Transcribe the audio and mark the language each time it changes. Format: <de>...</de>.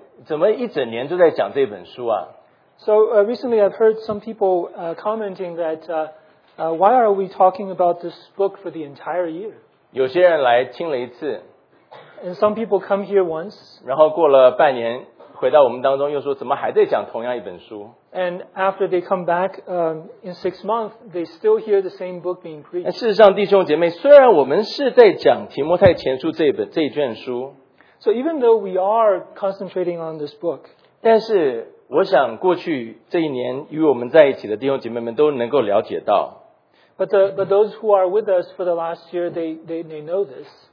<zh>最近有听到有一些人反映说，怎么讲，怎么一整年都在讲这本书啊？</zh> <en>So recently I've heard some people commenting that why are we talking about this book for the entire year?</en> <zh>有些人来听了一次，</zh> <en>and some people come here once.</en> <zh>然后过了半年。回到我们当中又说怎么还在讲同样一本书</zh> <en>And after they come back in 6 months, they still hear the same book being preached.</en> <zh>事实上弟兄姐妹，虽然我们是在讲提摩太前书这一卷书，</zh> <en>So even though we are concentrating on this book,</en> <zh>但是我想过去这一年与我们在一起的弟兄姐妹们都能够了解到，</zh> <en>But those who are with us for the last year, they know this.</en>